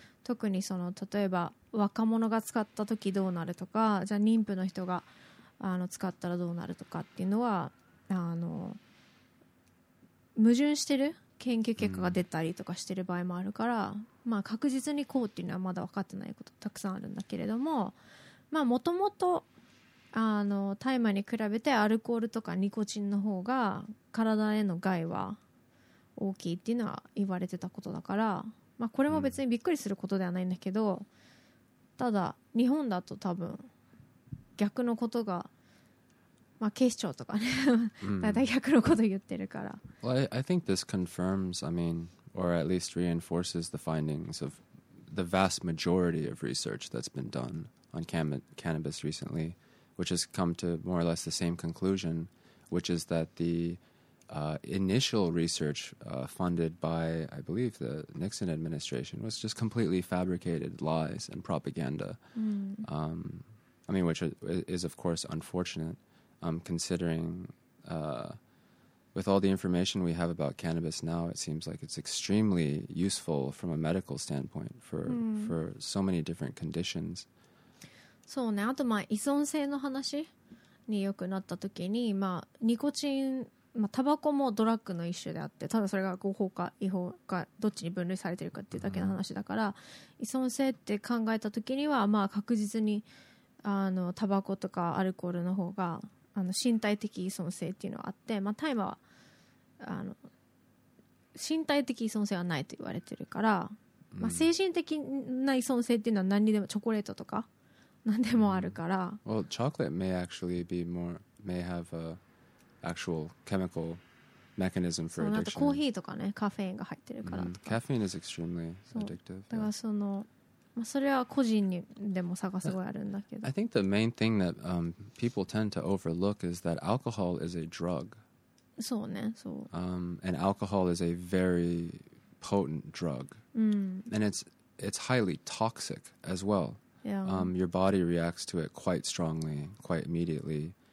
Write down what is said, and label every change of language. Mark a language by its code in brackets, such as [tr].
[ja] 特にその例えば若者が使った時どうなるとか、じゃあ妊婦の人があの使ったらどうなるとかっていうのは、あの矛盾してる研究結果が出たりとかしてる場合もあるから、うん、まあ、確実にこうっていうのはまだ分かってないことたくさんあるんだけれども、もともと大麻に比べてアルコールとかニコチンの方が体への害は大きいっていうのは言われてたことだから、まあ、これも別にびっくりすることではないんだけど、うん、ただ日本だと多分逆のことが、まあ、警視庁とかね、だいたい逆のこと言ってるから。 [en] Well, I think this confirms, I mean, or at least reinforces the findings of the vast majority of research that's been done on cannabis recently, which has come to more or less the same conclusion, which is that theinitial research funded by, I believe, the Nixon administration was just completely fabricated lies and propaganda. I mean, which is, of course, unfortunate, considering with all the information we have about cannabis now, it seems like it's extremely useful from a medical standpoint for,for so many different conditions. [ja] そうね。あと、まあ、依存性の話によくなった時に、まあ、ニコチンまあ、タバコもドラッグの一種であって、ただそれが合法か違法かどっちに分類されてるかっていうだけの話だから、依存性って考えた時にはまあ確実にあのタバコとかアルコールの方があの身体的依存性っていうのはあって、まあ大麻はあの身体的依存性はないと言われてるから、まあ精神的な依存性っていうのは何にでもチョコレートとか何でもあるから、 [en] うん、Well, chocolate may actually be more, may have actual chemical mechanism for addiction. [ja] そう、あとコーヒーとかね、カフェインが入ってるからとか。 [en] Caffeine is extremely addictive. [ja] だからその、まあ、それは個人にでも差がすごいあるんだけど。 [en] I think the main thing that people tend to overlook is that alcohol is a drug. [ja] そうね、そう。 [en] And alcohol is a very potent drug. And it's highly toxic as well. Yeah. Your body reacts to it quite strongly, quite immediately.